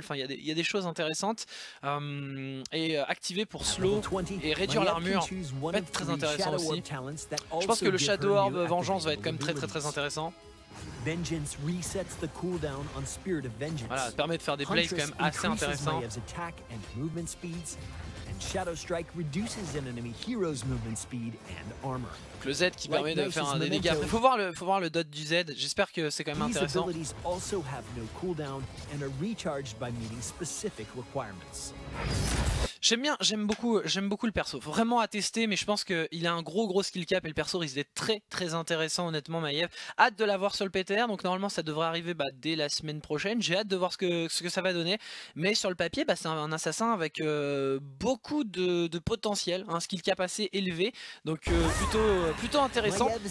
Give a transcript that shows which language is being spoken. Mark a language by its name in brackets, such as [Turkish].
[French] Enfin, il y a des choses intéressantes, et activer pour slow et réduire l'armure. Ça va être très intéressant aussi. Je pense que le Shadow Orb Vengeance va être quand même très très très intéressant. [English] Vengeance resets the cooldown on Spirit of Vengeance. [French] Voilà, ça permet de faire des plays quand même assez intéressants. [English] Mayev's attack and movement speeds, and Shadow Strike reduces an enemy hero's movement speed and armor. [French] Donc le Z qui permet de faire des dégâts. Il faut voir le dot du Z. J'espère que c'est quand même intéressant. [English] These abilities also have no cooldown and are recharged by meeting specific requirements. [French] J'aime bien, j'aime beaucoup le perso. Faut vraiment attester, mais je pense qu'il a un gros gros skill cap et le perso risque d'être très très intéressant, honnêtement, Mayev. Hâte de l'avoir sur le PTR, donc normalement ça devrait arriver dès la semaine prochaine. J'ai hâte de voir ce que ça va donner. Mais sur le papier, c'est un assassin avec beaucoup de potentiel, un skill cap assez élevé, donc plutôt intéressant.